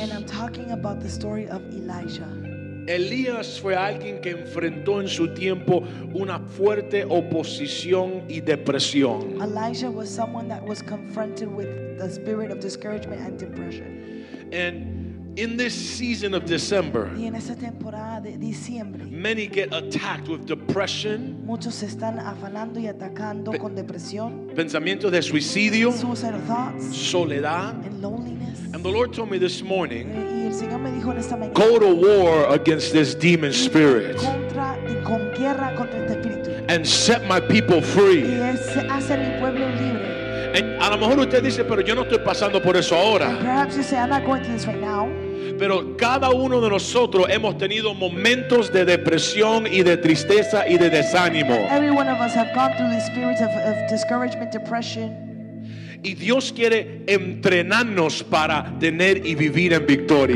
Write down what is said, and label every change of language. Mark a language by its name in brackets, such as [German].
[English] And I'm talking about the story of Elijah. [Spanish] Elías fue alguien que enfrentó en su tiempo una fuerte oposición y depresión. [English] Elijah was someone that was confronted with the spirit of discouragement and depression. And in this season of December, [Spanish] y en esta temporada de diciembre, [English] many get attacked with depression. [Spanish] Muchos están afanando y atacando con depresión. Pensamientos de suicidio. [English] Suicidal thoughts. [Spanish] Soledad. [English] And loneliness. And the Lord told me this morning, [Spanish] el Señor me dijo en esta mañana, [English] go to war against this demon spirit [Spanish] contra este espíritu, [English] and set my people free. [Spanish] Y hace mi pueblo libre. And a lo mejor usted dice, pero yo no estoy pasando por eso ahora. [English] Perhaps you say, I'm not going through this right now. [Spanish] Pero cada uno de nosotros hemos tenido momentos de depresión y de tristeza y de desánimo. [English] Every one of us have gone through the spirit of discouragement, depression. [Spanish] Y Dios quiere entrenarnos para tener y vivir en victoria.